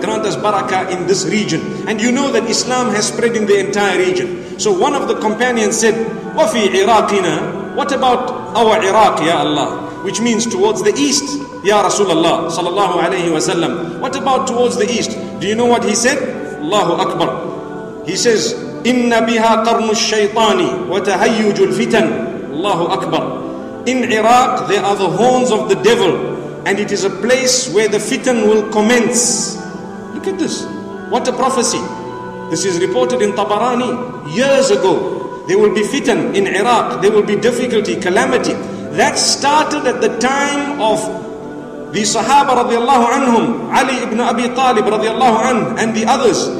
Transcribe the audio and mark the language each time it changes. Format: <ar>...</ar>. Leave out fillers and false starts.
<en>Grant us barakah in this region. And you know that Islam has spread in the entire region. So one of the companions said,</en> <ar>وَفِي عِرَاقِنَا.</ar> <en>What about our Iraq, Ya Allah? Which means towards the east, Ya Rasulullah sallallahu alayhi wa sallam. What about towards the east? Do you know what he said? Allahu Akbar. He says,</en> <ar>إِنَّ بِهَا قَرْنُ الشَّيْطَانِ وَتَهَيُّجُ الْفِتَنِ. Allahu Akbar.</ar> <en>In Iraq, there are the horns of the devil, and it is a place where the fitan will commence. Look at this. What a prophecy. This is reported in Tabarani years ago. There will be fitan in Iraq. There will be difficulty, calamity. That started at the time of the Sahaba radiallahu anhum, Ali ibn Abi Talib radiallahu anhu, and the others.</en>